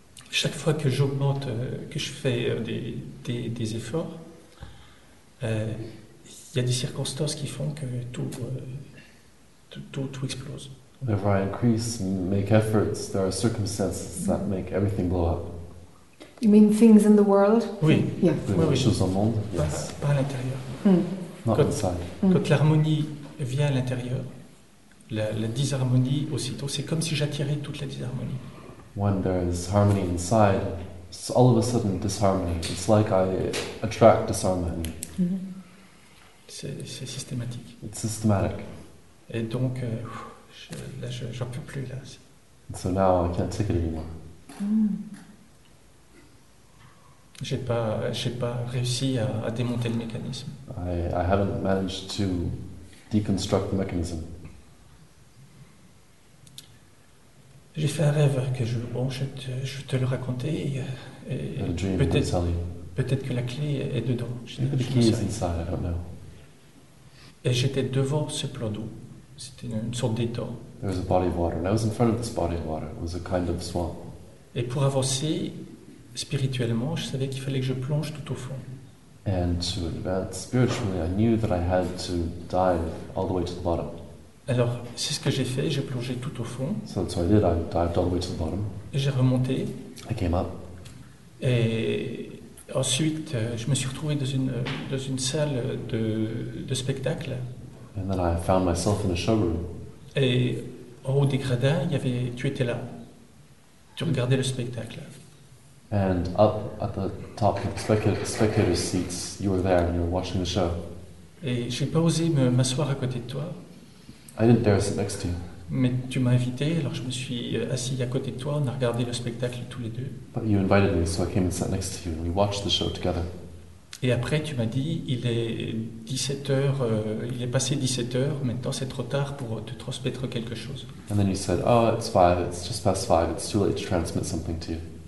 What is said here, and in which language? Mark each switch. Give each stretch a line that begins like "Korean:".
French: Chaque fois que j'augmente, que je fais des efforts, il y a des circonstances qui font que tout explose.
English: Whenever I increase and make efforts, there are circumstances that make everything blow up. You mean things in the world?
French: Oui.
English: Yes.
French: Oui, oui. Choses au monde? Yes. Pas à l'intérieur.
English: Mm. Not inside.
French: Quand l'harmonie vient à l'intérieur, la disharmonie aussitôt, c'est comme si j'attirais toute la disharmonie.
English: When there is harmony inside, it's all of a sudden disharmony. It's like I attract disharmony. Mm-hmm.
French: C'est systématique.
English: It's systematic.
French: Et donc, j'en peux plus là.
English: And so now I can't take it anymore. Mm.
French: J'ai pas réussi à démonter le mécanisme.
English: I haven't managed to deconstruct the mechanism.
French: J'ai fait un rêve que je te le racontais et peut-être que la clé est dedans.
English: The key is inside, I don't know.
French: Et j'étais devant ce plan d'eau. C'était une sorte d'étang.
English: There was a body of water, and I was in front of this body of water. It was a kind of swamp.
French: Et pour avancer spirituellement, je savais qu'il fallait que je plonge tout au fond.
English: And to advance spiritually, I knew that I had to dive all the way to the bottom.
French: Alors, c'est ce que j'ai fait, j'ai plongé tout au fond.
English: So that's what I did, I dived all the way to the bottom.
French: Et j'ai remonté.
English: I came up.
French: Et ensuite, je me suis retrouvé dans une salle de spectacle.
English: And then I found myself in a showroom.
French: Et en haut des gradins, tu étais là. Tu regardais le spectacle.
English: And up at the top of the spectator seats, you were there and you were watching the show.
French: Et j'ai pas osé m'asseoir à côté de toi.
English: I didn't dare sit next to you.
French: Mais tu m'as invité, alors je me suis assis à côté de toi, on a regardé le spectacle tous les deux.
English: But you invited me, so I came and sat next to you, and we watched the show together.
French: Et après, tu m'as dit, il est 17h, il est passé 17h, maintenant c'est trop tard pour te transmettre quelque chose.
English: And then you said, oh, it's 5, it's just past 5, it's too late to transmit something to you.